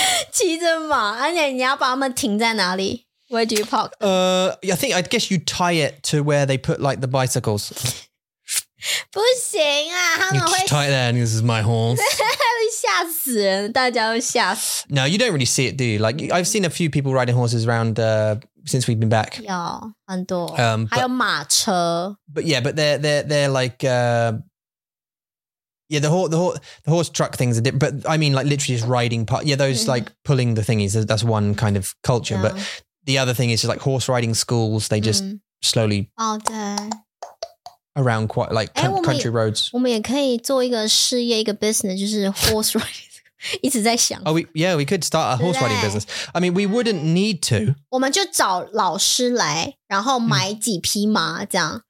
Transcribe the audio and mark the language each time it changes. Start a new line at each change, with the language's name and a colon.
Chinese: 骑着马，而且你要把他们停在哪里？
English: Where do you park? I guess you tie it to where they put like the bicycles.
Chinese: 不行啊，他们会
English: tie it there and this is my horse.
Chinese: 吓死人，大家都吓死。
English: No, you don't really see it, do you? Like, I've seen a few people riding horses around since we've been back.
Chinese: 有很多，还有马车。
English: But yeah, but they're like, yeah, the horse truck things are different. But I mean, like literally just riding part. Yeah, those like pulling the thingies, that's one kind of culture. Yeah. But the other thing is just like horse riding schools, they just slowly around quite like country roads.
Chinese: 我们也可以做一个事业，一个 business, 就是 horse riding, 一直在想。
English: Oh, we could start a horse riding business. I mean, we wouldn't need to.
Chinese: 我们就找老师来，然后买几匹马这样，